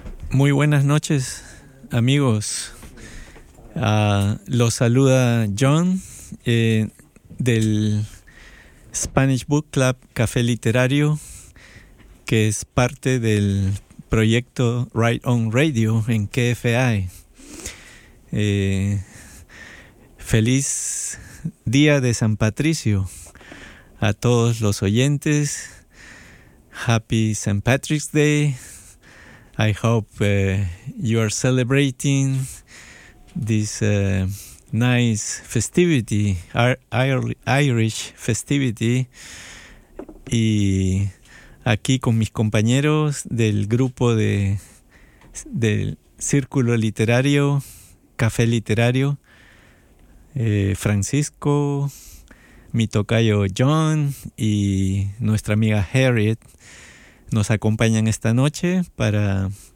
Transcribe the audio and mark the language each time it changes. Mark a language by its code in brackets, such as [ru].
[es] Muy buenas noches, amigos. Los saluda John del Spanish Book Club Café Literario, que es parte del proyecto Write On Radio en KFI. Feliz día de San Patricio a todos los oyentes. [en] Happy St. Patrick's Day. I hope you are celebrating this nice festivity, Irish festivity. [es] Y aquí con mis compañeros del grupo del Círculo Literario, Café Literario, Francisco, mi tocayo John y nuestra amiga Harriet nos acompañan esta noche para